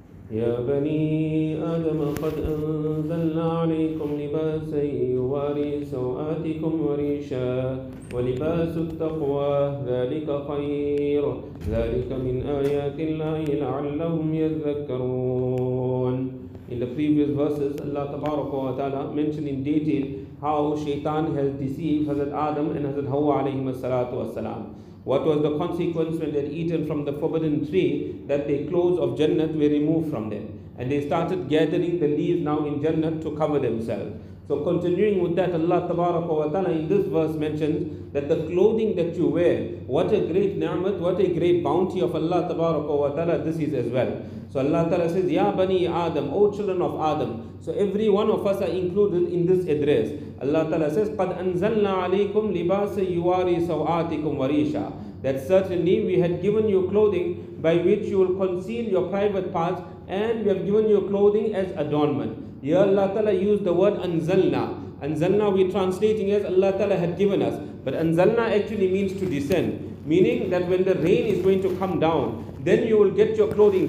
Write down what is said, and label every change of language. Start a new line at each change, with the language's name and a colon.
Arabic: يا بني آدم قد أنزلنا عليكم لباسا يواري سوآتكم وريشا ولباس التقوى ذلك خير ذلك من آيات الله لعلهم يذكرون.
English: In the previous verses, Allah Tabaraka wa Ta'ala mentioned in detail how Shaitan has deceived Hazrat Adam and Hazrat Hawa alayhi salatu wasalam. What was the consequence when they had eaten from the forbidden tree? That the clothes of Jannat were removed from them. And they started gathering the leaves now in Jannat to cover themselves. So continuing with that, Allah Tabaraka wa Ta'ala in this verse mentions that the clothing that you wear, what a great ni'mat, what a great bounty of Allah Tabaraka wa Ta'ala this is as well. So Allah Ta'ala says,
Arabic: Ya Bani Adam,
English: O children of Adam. So every one of us are included in this address. Allah Ta'ala says,
Arabic: قَدْ أَنزَلْنَا عَلَيْكُمْ لِبَاسَ يُوَارِي سَوْآتِكُمْ وَرِيشَا.
English: That certainly we had given you clothing by which you will conceal your private parts, and we have given you clothing as adornment. Here Allah Ta'ala used the word anzalna. Anzalna we're translating as Allah Ta'ala had given us. But anzalna actually means to descend. Meaning that when the rain is going to come down, then you will get your clothing.